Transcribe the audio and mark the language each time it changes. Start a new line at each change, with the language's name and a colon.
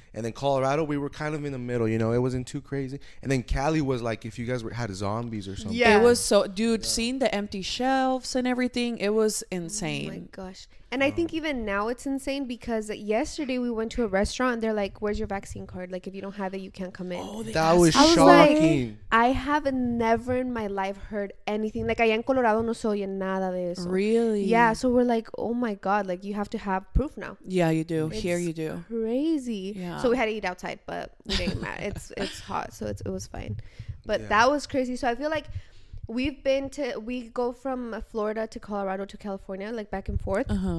English: And then Colorado, we were kind of in the middle, you know, it wasn't too crazy. And then Cali was like, if you guys had zombies or something. Yeah, it was so, seeing the empty shelves and everything, it was insane. Oh my gosh. And I think even now it's insane because yesterday we went to a restaurant and they're like, where's your vaccine card? Like, if you don't have it, you can't come in. Oh, that was shocking. I have never in my life heard anything.
Spanish: Like, allá en Colorado no se oye nada de eso.
English: Really? Yeah, so we're like, oh my God, like, you have to have proof now. Yeah, you do. It's here you do. Crazy. Yeah. So we had to eat outside, but it didn't matter. It's hot, so it was fine. But that was crazy. So I feel like we go from Florida to Colorado to California, like back and forth.